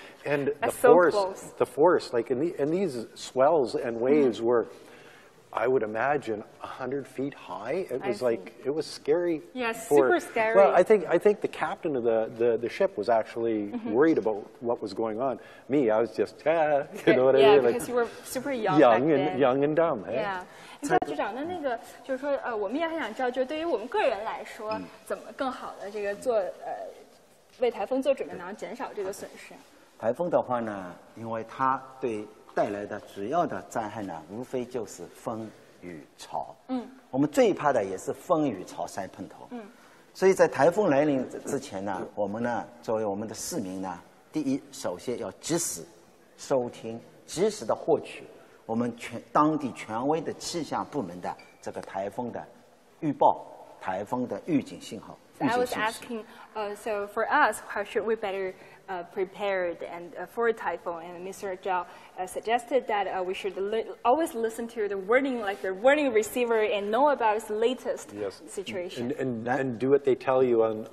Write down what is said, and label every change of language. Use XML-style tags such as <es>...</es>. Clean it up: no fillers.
<en>And the force, like in these swells and waves were, I would imagine, 100 feet high. It was scary. Yes, super scary. Well, I think the captain of the ship was actually worried about what was going on. Me, I was just, you know what I mean? Yeah, because you were super young and dumb. Hey? Yeah.</en> <zh>那局长，那个就是说，我们也很想知道，就是对于我们个人来说，怎么更好的这个做为台风做准备，然后减少这个损失。台风的话呢，因为它对带来的主要的灾害呢，无非就是风雨潮。嗯。我们最怕的也是风雨潮塞碰头。嗯。所以在台风来临之前呢，我们呢作为我们的市民呢，第一首先要及时收听，及时的获取。我们当地权威的气象部门的这个台风的预报，台风的预警信号。</zh> <en>I was asking, so for us, how should we better prepared and for a typhoon? And Mr. Zhao suggested that we should always listen to the warning, like the warning receiver, and know about its latest situation. And do what they tell you on.</en>